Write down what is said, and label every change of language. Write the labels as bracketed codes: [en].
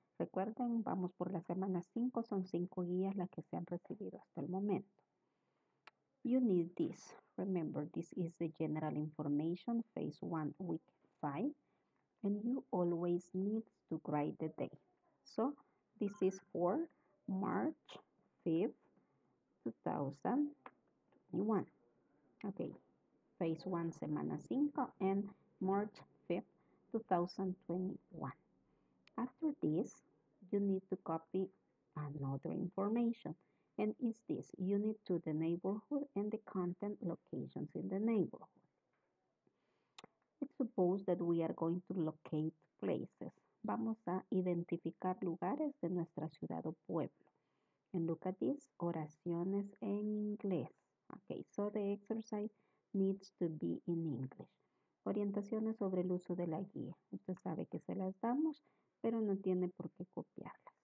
[es] Recuerden, vamos por la semana 5, son 5 guías las que se han recibido hasta el momento. [en] You need this. Remember, this is the general information, phase 1, week 5. And you always need to write the day. So, this is for March 5th, 2021. Okay, phase 1, semana 5, and March 5th, 2021. After this, you need to copy another information. And it's this, you need to the neighborhood and the content locations in the neighborhood. It's supposed that we are going to locate places. [es] Vamos a identificar lugares de nuestra ciudad o pueblo. [en] And look at this, [es] oraciones en inglés. [en] Okay, so the exercise needs to be in English. [es] Orientaciones sobre el uso de la guía. Usted sabe que se las damos, pero no tiene por qué copiarlas.